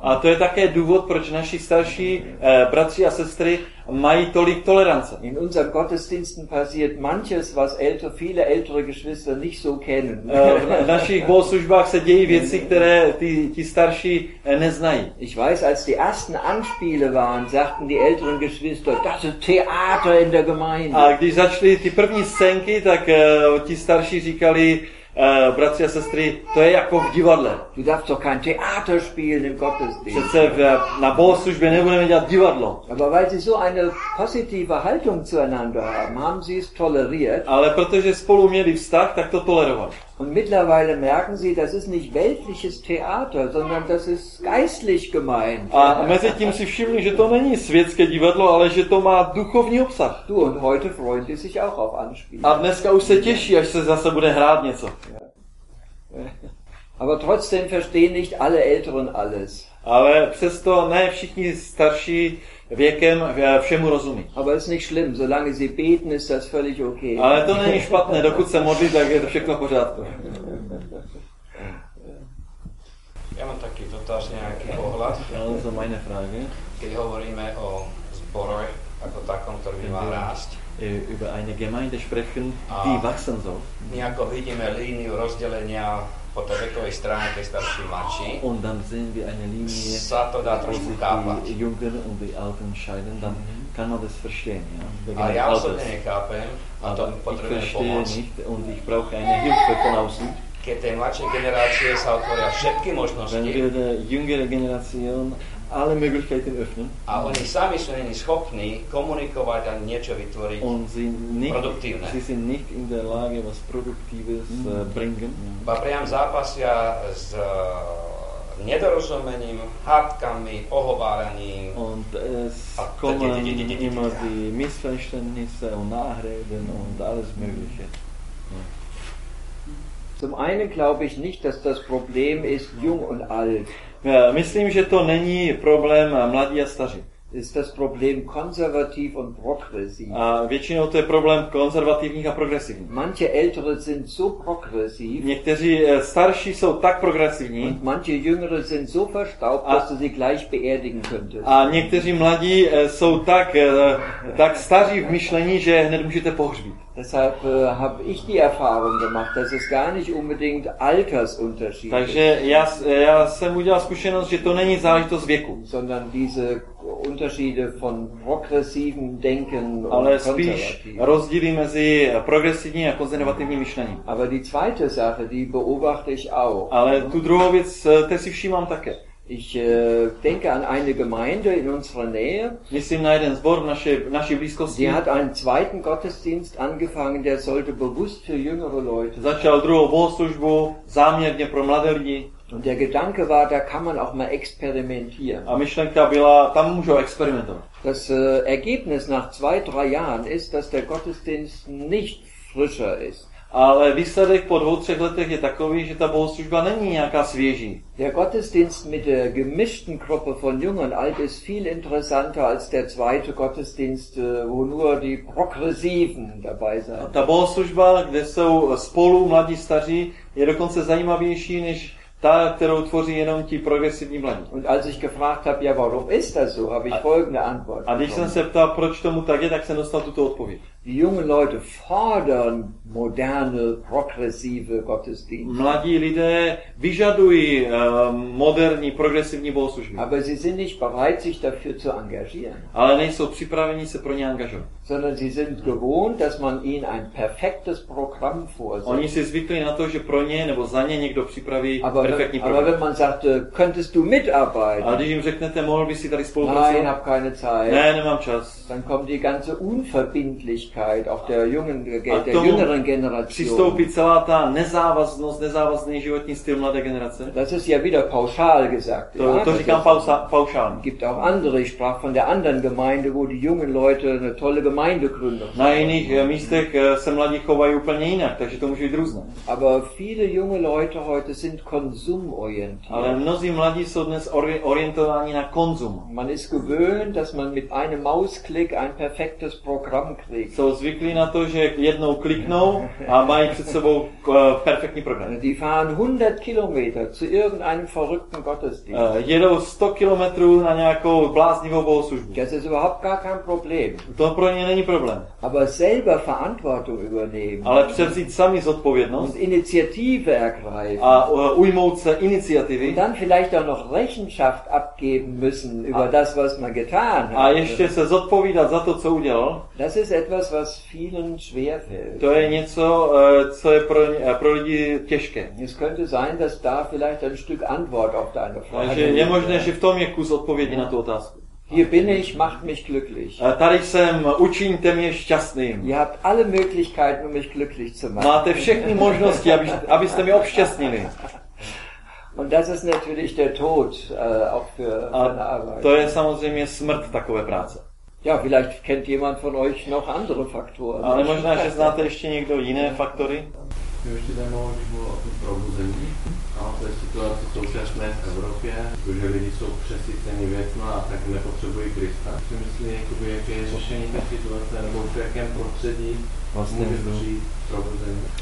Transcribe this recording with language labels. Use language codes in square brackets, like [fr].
[cs] A to je také důvod, proč naši starší bratři a sestry mají tolik tolerance. [de] In unseren Gottesdiensten passiert manches, was viele ältere Geschwister nicht so kennen. [cs] V našich bohoslužbách se dějí věci, které ti starší neznají. [de] Ich weiß, als die ersten Anspiele waren, sagten die älteren Geschwister, das ist Theater in der Gemeinde. [cs] A když začaly ty první scénky, tak ti starší říkali, bratři a sestry, to je jako v divadle. [de] Du darfst doch kein Theater spielen im Gottesdienst. [cs] Přece na bohoslužbě nebudeme dělat divadlo. [de] Aber weil sie so eine positive Haltung zueinander haben sie es toleriert. [cs] Ale protože spolu měli vztah, tak to tolerovali. [de] Und mittlerweile merken sie, das ist nicht weltliches Theater, sondern das ist geistlich gemeint. [cs] A mezi tím si všimli, že to není světské divadlo, ale že to má duchovní obsah. [de] Du, und heute freuen sie sich auch auf Anspiele. [cs] A dneska už se těší, až se zase bude hrát něco. [de] Aber trotzdem verstehen nicht alle Älteren alles. [cs] Ale přesto ne všichni starší věkem všemu rozumí. [de] Aber es ist nicht schlimm, solange sie beten, ist das völlig okay. [cs] Ale to není špatné, dokud se modlí, tak je to všechno v pořádku. Já mám taky dotaz, nějaký pohled. Já mám to [de] meine Frage. [sk] Když hovoríme o zboru jako takom, který má rást. [de] Über eine Gemeinde sprechen, die wachsen soll. [sk] Nějako vidíme líniu rozdělenia po té věkové straně, ty starší mladší. [de] Und dann sehen wir eine Linie, [sk] sa to dá trošku kápat. [de] Die Jungen und die Alten scheiden, dann kann man das verstehen. Ja? [cs] A já osobně nechápem, a to potřebuje pomoct. [de] Ich verstehe nicht und ich brauche eine Hilfe von außen. [sk] Keď tej mladší generácie sa otvoria všetky možnosti. [de] Wenn wir der jüngere Generation alle Möglichkeiten öffnen. [sk] A oni sami sú není schopní komunikovať a niečo vytvoriť produktívne. [de] Sie sind nicht in der Lage, was Produktives bringen. [sk] Ba priam zápasia s nedorozumením, hádkami, ohováraním. [de] Und es kommen immer die Missverständnisse und Nachreden und alles Mögliche. Zum einen glaube ich nicht, dass das Problem ist jung und alt. [cs] Myslím, že to není problém mladí a staří. [de] Ist das Problem konservativ und progressiv. [cs] A většinou to je problém konzervativních a progresivních. [de] Manche ältere sind so progressiv. [cs] Někteří starší jsou tak progresivní. [de] Und manche jüngere sind so verstaubt, dass du sie gleich beerdigen könntest. [cs] A někteří mladí jsou tak staří v myšlení, že hned můžete pohřbít. [de] Deshalb habe ich die Erfahrung gemacht, dass es gar nicht unbedingt Altersunterschied. [cs] Takže já jsem udělal zkušenost, že to není záležitost věku, [de] sondern diese Unterschiede von progressivem Denken und konservativem. [cs] Ale spíš rozdíly mezi progresivní a konzervativní myšlení. [de] Aber die zweite Sache, die beobachte ich auch. [cs] Ale tu druhou věc, te si všímám také. [de] Ich denke an eine Gemeinde in unserer Nähe. [cs] Myslím na jeden zbor naší blízkosti. [de] Die hat einen zweiten Gottesdienst angefangen, der sollte bewusst für jüngere Leute. [cs] Začal druhou bohoslužbu záměrně pro mladé lidi. [de] Und der Gedanke war, da kann man auch mal experimentieren. [cs] A myšlenka byla, tam můžu experimentovat. [de] Das Ergebnis nach 2-3 Jahren ist, dass der Gottesdienst nicht frischer ist. [cs] Ale výsledek po dvou, třech letech je takový, že ta bohoslužba není nějaká svěží. [de] Der Gottesdienst mit der gemischten Gruppe von Jung und Alt ist viel interessanter als der zweite Gottesdienst, wo nur die Progressiven dabei sind. [cs] Ta bohoslužba, kde jsou spolu mladí staří, je dokonce zajímavější než ta, kterou tvoří jenom ti progresivní mladí. [de] Und als ich gefragt habe, ja, warum ist das so, habe ich folgende Antwort. [cs] A když jsem se ptal, proč tomu tak je, tak jsem dostal tuto odpověď. [de] Die jungen Leute fordern moderne, progressive Gottesdienste. [cs] Mladí lidé vyžadují moderní, progresivní bohoslužby. [de] Aber sie sind nicht bereit, sich dafür zu engagieren. [cs] Ale nejsou připraveni se pro ně angažovat. [de] Sondern sie sind gewohnt, dass man ihnen ein perfektes Programm vorsieht. [cs] Oni si zvykli na to, že pro ně nebo za ně někdo připraví perfektní program. [de] Aber wenn man sagt, könntest du mitarbeiten? [cs] A když jim řeknete, mohl bys si tady spolupracovat? [de] Nein, hab keine Zeit. [cs] Ne, nemám čas. [de] Dann kommt die ganze Unverbindlichkeit auf der jungen, der jüngeren Generation. [cs] Přistoupí celá ta nezávaznost, nezávazný životní styl mladé generace. [de] Das ist ja wieder pauschal gesagt. [cs] To, [de] ja, [cs] to říkám pauschal. [de] Gibt auch andere. Ich sprach von der anderen Gemeinde, wo die jungen Leute eine tolle Gemeindegründung. [cs] Na jiných místech se mladí chovají úplně jinak, takže to může být různé. [de] Aber viele junge Leute heute sind konsumorientiert. [cs] Ale mnozí mladí jsou dnes orientováni na konzum. [de] Man ist gewöhnt, dass man mit einem Mausklick ein perfektes Programm kriegt. [cs] Jsou zvyklí na to, že jednou kliknou a mají před sebou perfektní program. [de] Die fahren 100 Kilometer zu irgendeinem verrückten Gottesdienst. [cs] Jedou 100 kilometrů na nějakou bláznivou bohoslužbu. [de] Das ist überhaupt gar kein Problem. [cs] To pro ně není problém. [de] Aber selber Verantwortung übernehmen. [cs] Ale převzít sami zodpovědnost. [de] Und Initiative ergreifen. [cs] A ujmout se iniciativy. [de] Und dann vielleicht auch noch Rechenschaft abgeben müssen über das, was man getan hat. [cs] A ještě se zodpovídat za to, co udělal. [de] Das ist etwas, was vielen schwerfällt. [cs] To je něco, co je pro lidi těžké. [de] Es könnte sein, dass da vielleicht ein Stück Antwort auf deine Frage. [cs] Je možné, že v tom je kus odpovědi na tu otázku. [de] Hier bin ich, macht mich glücklich. [cs] Tady jsem, učiňte mě šťastným. [de] Ihr habt alle Möglichkeiten, um mich glücklich zu machen. [cs] Máte všechny možnosti, abyste mě obšťastnili. [de] Und das ist natürlich der Tod auch für meine Arbeit. [cs] To je samozřejmě smrt takové práce. [de] Ja, vielleicht kennt jemand von euch noch andere Faktoren. [cs] Ale možná, že znáte ještě někdo jiné faktory. Ještě tam mohli být o probuzení. Ano, to je situace současné v Evropě, protože lidi jsou přesyceni věcmi a tak nepotřebují Krista. Co myslí, jakoby, jaké je řešení té situace, nebo v jakém prostředí vlastně může přijít probuzení.